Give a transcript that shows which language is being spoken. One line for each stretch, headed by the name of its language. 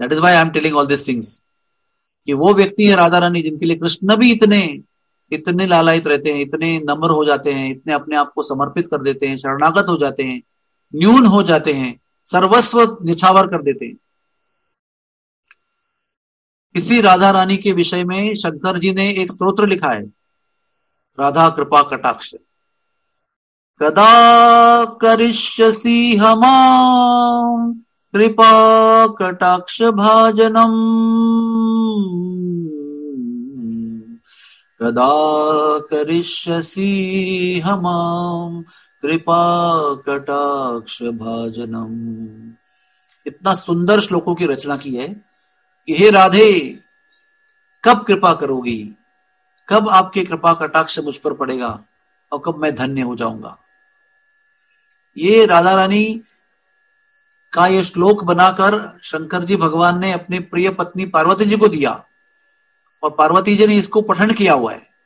English: that is why I am telling all this things,
Hindi: कि वो व्यक्ति है राधा रानी, जिनके लिए कृष्ण भी इतने इतने लालायित रहते हैं, इतने नम्र हो जाते हैं, इतने अपने आप को समर्पित कर देते हैं, शरणागत हो जाते हैं, न्यून हो जाते हैं, सर्वस्व निछावर कर देते हैं। इसी राधा रानी के विषय में शंकर जी ने एक स्तोत्र लिखा है, राधा कृपा कटाक्ष।
Sanskrit: कदा करिष्यसि हमां कृपा कटाक्ष भाजनम्, कदा करिष्यसि हमां कृपा कटाक्ष भाजनम्।
Hindi: इतना सुंदर श्लोकों की रचना की है कि हे राधे, कब कृपा करोगी, कब आपके कृपा कटाक्ष मुझ पर पड़ेगा और कब मैं धन्य हो जाऊंगा। ये राधा रानी का ये श्लोक बनाकर शंकर जी भगवान ने अपने प्रिय पत्नी पार्वती जी को दिया और पार्वती जी ने इसको पठन किया हुआ है।